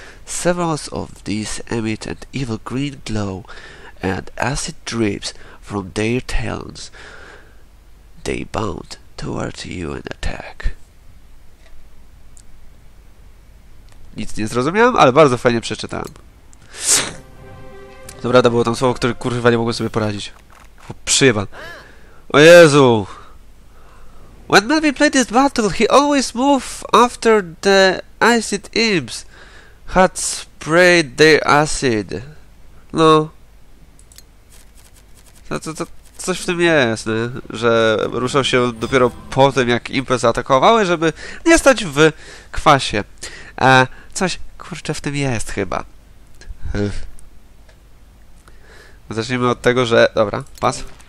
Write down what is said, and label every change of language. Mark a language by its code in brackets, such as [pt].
[en] Several of these emit an evil green glow, and as it drips from their talons, they bound towards you and attack. [pl] Nic nie zrozumiałem, ale bardzo fajnie przeczytałem. Dobra, to było tam słowo, które kurwa nie mogłem sobie poradzić. O, przyjebam. O Jezu! [en] When Melvin played this battle, he always moved after the acid imps had sprayed their acid. No. [pl] To coś w tym jest, nie? Że ruszał się dopiero po tym, jak impy zaatakowały, żeby nie stać w kwasie. Coś, kurczę, w tym jest chyba. Zacznijmy od tego, że... Dobra, pas.